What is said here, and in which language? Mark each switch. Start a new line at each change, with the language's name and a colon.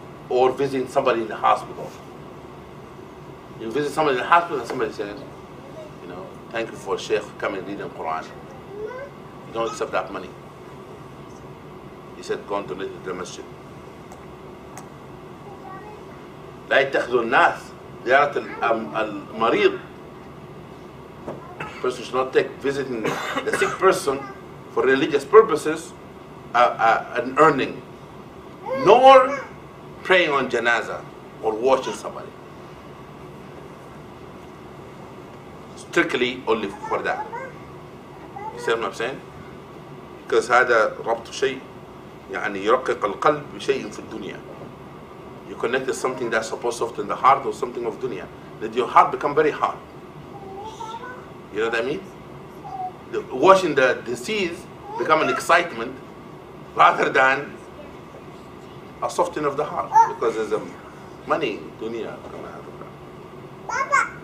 English: Or visiting somebody in the hospital. You visit somebody in the hospital and somebody says, you know, thank you for Sheikh coming reading Quran. You don't accept that money. He said, go and donate to the masjid.
Arabic: لا يتخذوا الناس زيارة المريض.
English: Person should not take visiting a sick person for religious purposes an earning, nor praying on janaza or washing somebody. Strictly only for that. You see what I'm saying? Because
Arabic: هذا ربط شيء يعني يرقق القلب بشيء في الدنيا.
English: You connect to something that's supposed to be in the heart or something of dunya, that your heart become very hard. You know what I mean? Washing the disease become an excitement rather than a softening of the heart because there's a money in dunya coming out of that.